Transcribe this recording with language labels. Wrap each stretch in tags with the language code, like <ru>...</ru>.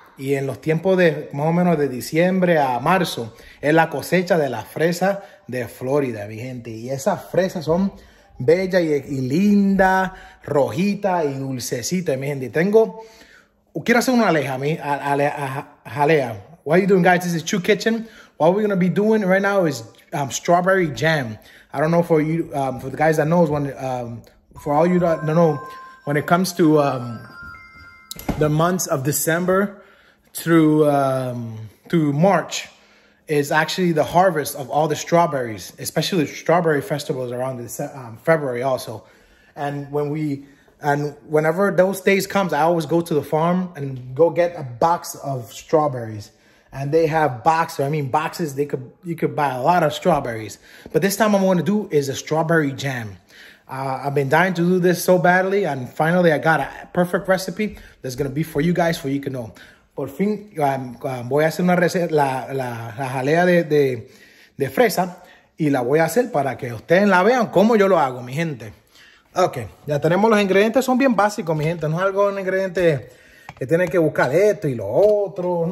<es>Y en los tiempos de más o menos de diciembre a marzo es la cosecha de las fresas de Florida, mi gente. Y esas fresas son bellas y lindas, rojitas y dulcecitas, mi gente. Y tengo, quiero hacer una aleja, mi a jalea.</es> <en>What are you doing, guys? This is Chu Kitchen. What we're gonna be doing right now is strawberry jam. I don't know for you, for the guys that knows when, for all you that don't know, when it comes to the months of December. Through March is actually the harvest of all the strawberries, especially the strawberry festivals around this February also. And whenever those days comes, I always go to the farm and go get a box of strawberries. And they have boxes. I mean boxes. You could buy a lot of strawberries. But this time I'm going to do is a strawberry jam. I've been dying to do this so badly, and finally I got a perfect recipe that's going to be for you guys for you to know.</en> <es>Por fin, voy a hacer una receta, la jalea de fresa, y la voy a hacer para que ustedes la vean cómo yo lo hago, mi gente. Ok, ya tenemos los ingredientes, son bien básicos, mi gente. No es algo, un ingrediente que tienen que buscar esto y lo otro.</es>